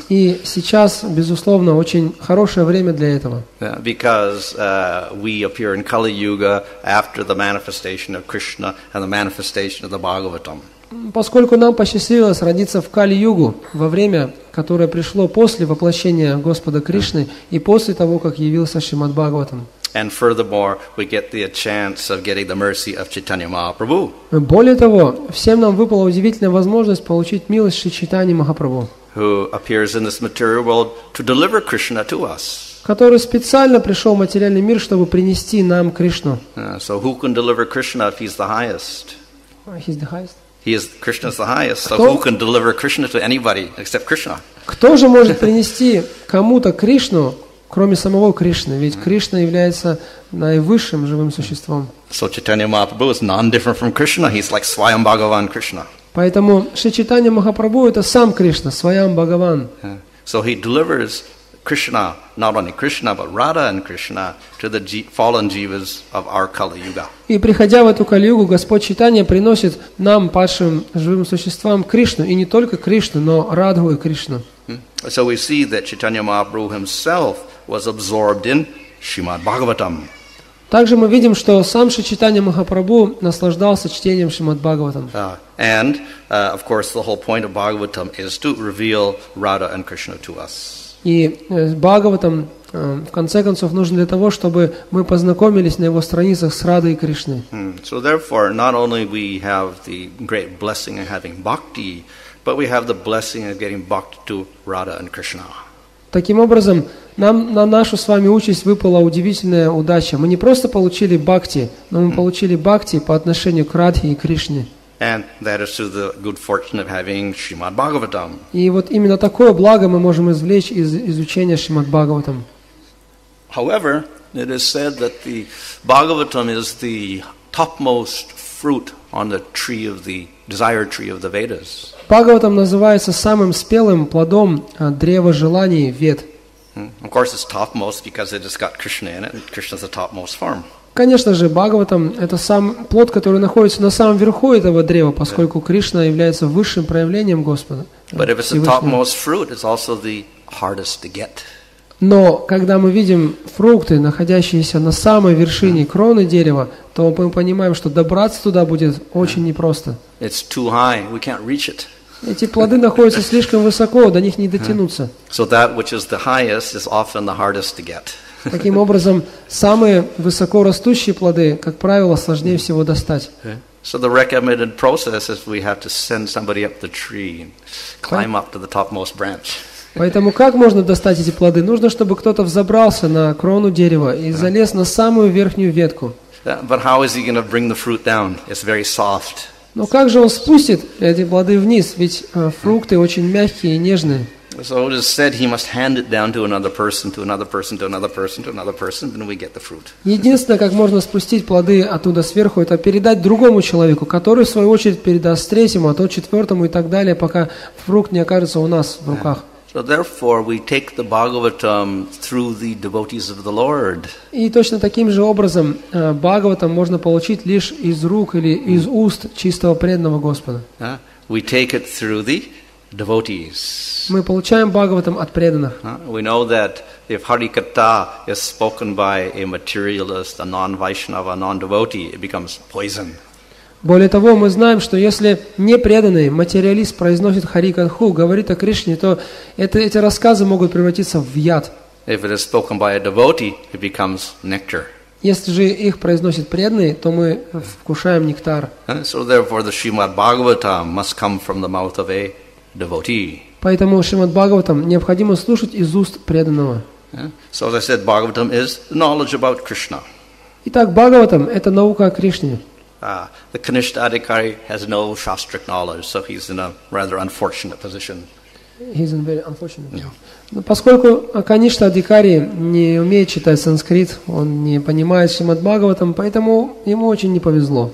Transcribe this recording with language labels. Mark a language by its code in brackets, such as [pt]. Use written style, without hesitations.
[ru] И сейчас, безусловно, очень хорошее время для этого. [en] Because we appear in Kali Yuga after the manifestation of Krishna and the manifestation of the Bhagavatam. [ru] Поскольку нам посчастливилось родиться в Кали-Югу во время, которое пришло после воплощения Господа Кришны и после того, как явился Шримад-Бхагаватам. [en] And furthermore, we get the chance of getting the mercy of Chaitanya Mahaprabhu. [ru] Более того, всем нам выпала удивительная возможность получить милость Шри Чайтаньи Махапрабху. [en] Who appears in this material world to deliver Krishna to us. [ru] Который специально пришел в материальный мир, чтобы принести нам Кришну. [en] So who can deliver Krishna if he's the highest? He's the highest. Krishna is the highest, so who can deliver Krishna to anybody except Krishna? [ru] Кто же может принести кому-то Кришну, кроме самого Кришны? Ведь Кришна является наивысшим живым существом. [en] So Chaitanya Mahaprabhu is non-different from Krishna. He's like Swayam Bhagavan Krishna. [ru] Поэтому Шри Чайтанья Махапрабху это сам Кришна, Свайам Бхагаван. [en] So he delivers Krishna, not only Krishna, but Radha and Krishna to the fallen jivas of our Kali Yuga. [ru] И приходя в эту Кали-Югу, Господь Чайтанья приносит нам, падшим живым существам, Кришну, и не только Кришну, но Радху и Кришну. [en] So we see that Chaitanya Mahaprabhu himself was absorbed in Srimad Bhagavatam. [ru] Также мы видим, что сам Шичитанья Махапрабху наслаждался чтением Шримад-Бхагаватам. [en] And, of course, the whole point of Bhagavatam is to reveal Radha and Krishna to us. [ru] И Бхагаватам, в конце концов, нужен для того, чтобы мы познакомились на его страницах с Радой и Кришной. [en] So, therefore, not only we have the great blessing of having bhakti, but we have the blessing of getting bhakti to Radha and Krishna. [ru] Таким образом, нам на нашу с вами участь выпала удивительная удача. Мы не просто получили бхакти, но мы получили бхакти по отношению к Радхе и Кришне. [en] And that is through the good fortune of having Srimad Bhagavatam. [ru] И вот именно такое благо мы можем извлечь из изучения Шримад Бхагаватам. [en] However, it is said that the Bhagavatam is the topmost fruit on the tree of the desire tree of the Vedas. [ru] Бхагаватам называется самым спелым плодом древа желаний Вед. [en] Of course, it's topmost because it has got Krishna in it, and Krishna is the topmost form. [ru] Конечно же, Бхагаватам – это сам плод, который находится на самом верху этого древа, поскольку Кришна является высшим проявлением Господа. [en] But if it's the topmost fruit, it's also the hardest to get. [ru] Но когда мы видим фрукты, находящиеся на самой вершине кроны дерева, то мы понимаем, что добраться туда будет очень непросто. [en] It's too high. We can't reach it. [ru] Эти плоды находятся слишком высоко, до них не дотянуться. [en] So that which is the highest is often the hardest to get. [ru] Таким образом, самые высоко растущие плоды, как правило, сложнее всего достать. [en] So the recommended process is we have to send somebody up the tree and climb up to the topmost branch. [ru] Поэтому как можно достать эти плоды? Нужно, чтобы кто-то взобрался на крону дерева и залез на самую верхнюю ветку. [en] But how is he going to bring the fruit down? It's very soft. [ru] Но как же он спустит эти плоды вниз? Ведь фрукты очень мягкие и нежные. [en] So it is said he must hand it down to another person, to another person, to another person, to another person, then we get the fruit. [ru] Единственное, как можно спустить плоды оттуда сверху, это передать другому человеку, который в свою очередь передаст третьему, а то четвертому и так далее, пока фрукт не окажется у нас в руках. [en] So therefore we take the Bhagavatam through the devotees of the Lord. [ru] И точно таким же образом Бхагаватам можно получить лишь из рук или из уст чистого преданного Господа. [en] We take it through the devotees. [ru] Мы получаем Бхагаватам от преданных. [en] We know that if Harikatha is spoken by a materialist, a non-Vaishnava, a non-devotee, it becomes poison. [ru] Более того, мы знаем, что если непреданный материалист произносит Харикатху, говорит о Кришне, то эти рассказы могут превратиться в яд. [en] If it is spoken by a devotee, it becomes nectar. [ru] Если же их произносит преданный, то мы вкушаем нектар. [en] So therefore, the Srimad Bhagavatam must come from the mouth of a devotee. [ru] Поэтому Шримад Бхагаватам необходимо слушать из уст преданного. [en] So as I said, Bhagavatam is knowledge about Krishna. [ru] Итак, Бхагаватам – это наука о Кришне. [en] The Kanishtha Adhikari has no Shastric knowledge, so he's in a rather unfortunate position. He's in a very unfortunate position. Yeah. [ru] Поскольку Kanishtha Adhikari не умеет читать санскрит, он не понимает Шримад Бхагаватам, поэтому ему очень не повезло.